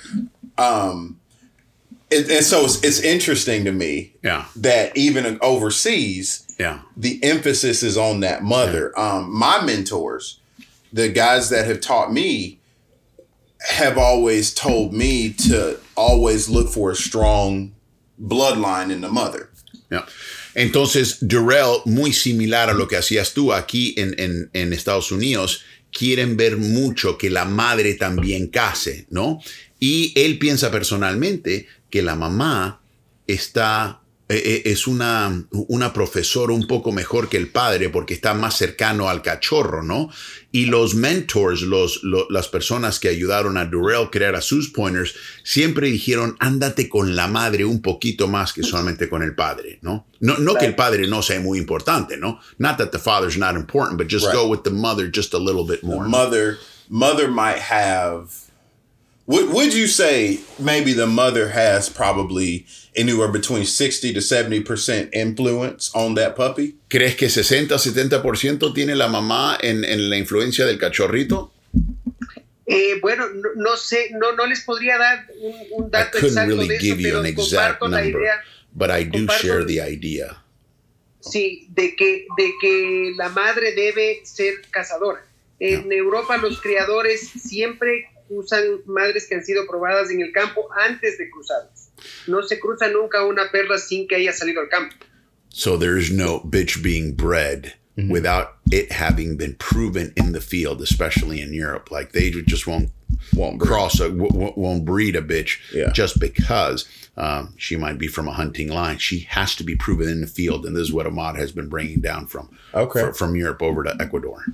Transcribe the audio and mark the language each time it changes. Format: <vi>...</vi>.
<en>And so it's interesting to me that even overseas, the emphasis is on that mother. Yeah. My mentors, the guys that have taught me, have always told me to always look for a strong bloodline in the mother. Yeah.</en> <es>Entonces, Durrell, muy similar a lo que hacías tú aquí en Estados Unidos, quieren ver mucho que la madre también case, ¿no? Y él piensa personalmente que la mamá está... es una profesora un poco mejor que el padre porque está más cercano al cachorro, ¿no? Y los mentors, las personas que ayudaron a Durrell crear a sus pointers, siempre dijeron, ándate con la madre un poquito más que solamente con el padre, ¿no? No que el padre no sea muy importante, ¿no?</es> <en>Not that the father's not important, but just go with the mother just a little bit more. Mother might have... Would you say maybe the mother has probably anywhere between 60 to 70% influence on that puppy?</en> <es>¿Crees que 60, 70% tiene la mamá en la influencia del cachorrito? Bueno, no sé, no les podría dar un dato exacto.</es> <en>I couldn't really give you an exact number, but I do share the idea.</en> <es>Sí, de que la madre debe ser cazadora. En Europa los criadores siempre usan madres que han sido probadas en el campo antes de cruzarlas. No se cruza nunca una perra sin que haya salido al campo.</es> <en>So there is no bitch being bred mm-hmm. without it having been proven in the field, especially in Europe. Like they just won't breed a bitch yeah. just because she might be from a hunting line. She has to be proven in the field. And this is what Ahmad has been bringing down from Europe over to Ecuador.</en>